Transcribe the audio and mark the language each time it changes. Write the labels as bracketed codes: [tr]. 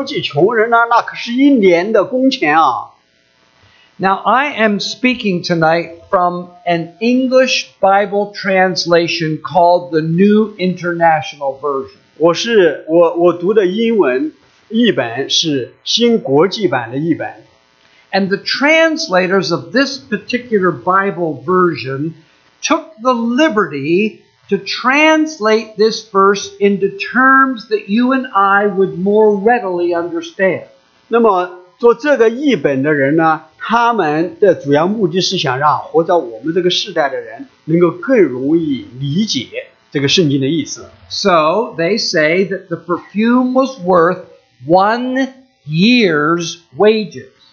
[zh] 这香膏为什么不卖30两银子，周济穷人呢？那可是一年的工钱啊。 [en] Now, I am speaking tonight from an English Bible translation called the New International Version. [zh] 我读的英文译本是新国际版的译本。 [en] And the translators of this particular Bible version took the liberty to translate this verse into terms that you and I would more readily understand. [zh] 那么做这个译本的人呢, 他们的主要目的是想让活在我们这个世代的人能够更容易理解这个圣经的意思。 [en] So they say that the perfume was worth 1 year's wages.